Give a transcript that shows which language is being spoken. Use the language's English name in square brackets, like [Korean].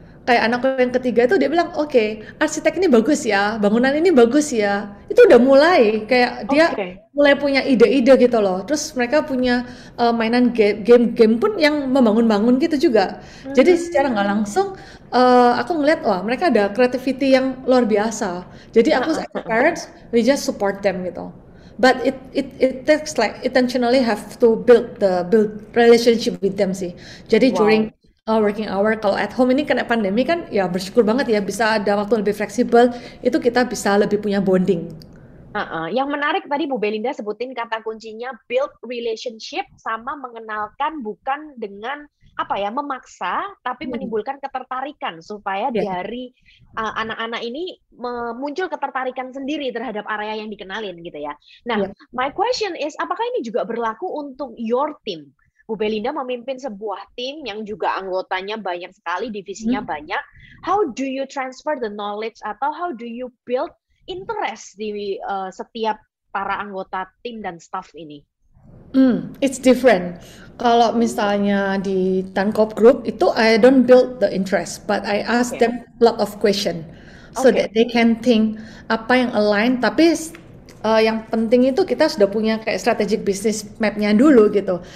[Indonesian] Kayak anakku yang ketiga itu dia bilang, oke, okay, arsitek ini bagus ya, bangunan ini bagus ya. Itu udah mulai, kayak dia mulai punya ide-ide gitu loh. Terus mereka punya mainan game-game pun yang membangun-bangun gitu juga. Jadi secara nggak langsung, aku ngeliat, wah mereka ada creativity yang luar biasa. Jadi aku [English] as a parent, we just support them gitu. But it takes like intentionally have to build relationship with them sih. Jadi during Oh, working hour. [Indonesian] Kalau [English] at home [Indonesian] ini kena pandemi kan, ya bersyukur banget ya bisa ada waktu lebih fleksibel. Itu kita bisa lebih punya bonding. Yang menarik tadi Bu Belinda sebutin kata kuncinya build relationship sama mengenalkan, bukan dengan apa ya, memaksa, tapi menimbulkan ketertarikan supaya dari anak-anak ini muncul ketertarikan sendiri terhadap area yang dikenalin gitu ya. Nah, [English] my question is, [Indonesian] apakah ini juga berlaku untuk [English] your team? [Indonesian] Bu Belinda memimpin sebuah tim yang juga anggotanya banyak sekali, divisinya banyak. [English] How do you transfer the knowledge atau how do you build interest [Indonesian] di setiap para anggota tim dan staff ini? [English] It's different. [Indonesian] Kalau misalnya di Tankop Group itu, [English] I don't build the interest, but I ask them a lot of question so that they can think [Indonesian] apa yang [English] align. [Indonesian] Tapi yang penting itu kita sudah punya kayak [English] strategic business map- [Indonesian] nya dulu gitu.